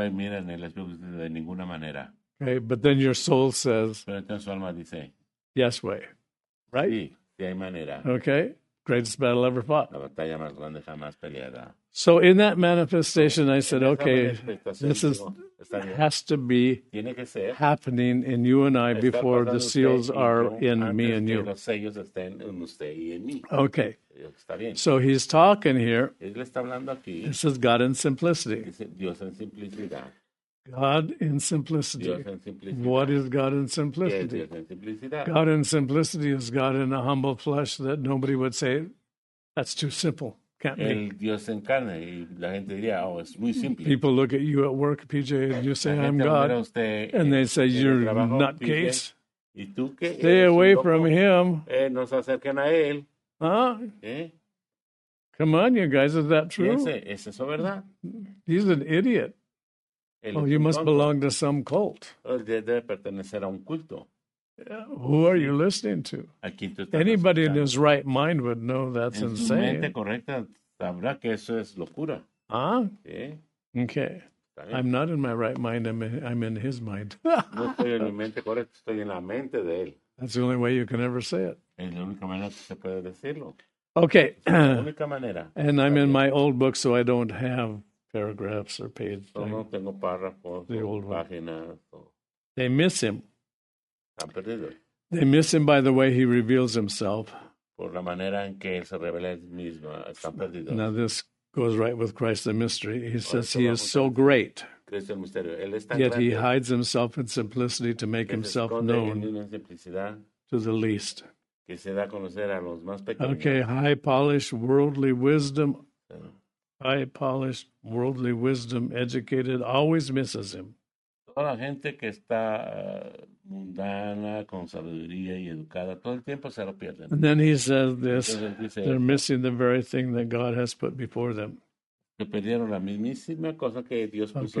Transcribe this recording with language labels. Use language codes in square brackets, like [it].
[en] Okay, but then your soul says, yes way, right? [es] Sí, sí hay manera. [en] Okay, greatest battle ever fought. [es] La batalla más grande jamás peleada. [en] So in that manifestation, I said, okay, this is, has to be [es] tiene que ser [en] happening in you and I before the seals are in me and you. [es] Los sellos estén en usted y en mí. [en] Okay. [es] Está bien. [en] So he's talking here. [es] Él está hablando aquí. [en] This is God in simplicity. [es] Dios en simplicidad. [en] God in simplicity. What is God in simplicity? God in simplicity is God in a humble flesh that nobody would say, that's too simple. Can't be. People look at you at work, PJ, and you say, I'm God. And they say, you're nutcase. Stay away from him. Huh? Come on, you guys, is that true? He's an idiot. Oh, you must belong to some cult. [es] Debe pertenecer a un culto. [en] Who are you listening to? Anybody in his right mind would know that's insane. [es] En su mente correcta sabrá que eso es locura. [en] Ah? Okay. I'm not in my right mind. I'm in his mind. [es] No estoy en mi mente correcta. Estoy en la mente de él. [en] That's the only way you can ever say it. [es] Es la única manera que se puede decirlo. [en] Okay. [es] La única manera. [en] And I'm in my old book, so I don't have paragraphs or page. [es] No, no tengo párrafos, [en] the old [es] páginas, [en] one. They miss him. Han perdido. They miss him by the way he reveals himself. [es] Por la manera en que él se revela él mismo. Están perdidos. [en] Now this goes right with Christ the mystery. He says he is so great. [es] Cristo el misterio. Él es tan [en] yet [es] grande, [en] he hides himself in simplicity to make himself known [es] en una simplicidad [en] to the least. [es] Que se da a conocer a los más pequeños. [en] Okay, high polished worldly wisdom. High polished worldly wisdom, educated, always misses him. [es] Toda la gente que está mundana, con sabiduría y educada, todo el tiempo se lo pierden. [en] And then he says this, they're missing the very thing that God has put before them. [es] Se perdieron la mismísima cosa que Dios puso